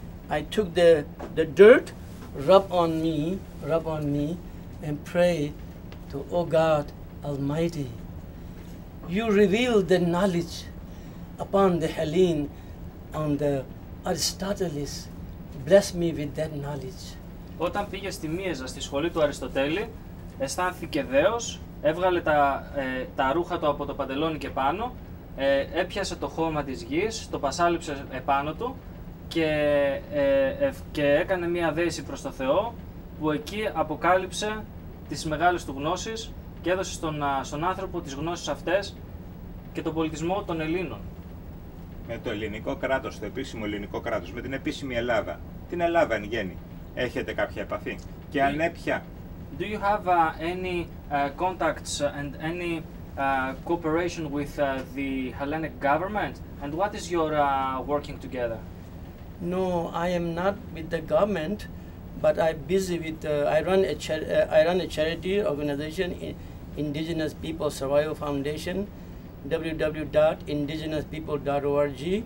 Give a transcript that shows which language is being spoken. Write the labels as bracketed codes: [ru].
[en] I took the dirt, rub on me, and pray. Oh God Almighty, you reveal the knowledge upon the Hellene on the Aristoteles. Bless me with that knowledge. [el] Όταν πήγε στη Μίεζα, στη σχολή του Αριστοτέλη, αισθάνθηκε δέος, έβγαλε τα ρούχα του από το παντελόνι και πάνω, έπιασε το χώμα της γης, το πασάλιψε επάνω του και έκανε μία δέηση προς το Θεό, που εκεί αποκάλυψε τις μεγάλες του γνώσεις και έδωσε στον άνθρωπο τις γνώσεις αυτές και τον πολιτισμό των Ελλήνων. Με το ελληνικό κράτος, το επίσημο ελληνικό κράτος, με την επίσημη Ελλάδα, την Ελλάδα εν γέννη, έχετε κάποια επαφή? Και αν έπια... [en] Do you have any contacts and any cooperation with the Hellenic government? And what is your working together? No, I am not with the government. But I'm busy with I run a charity organization, Indigenous People Survival Foundation, www.indigenouspeople.org.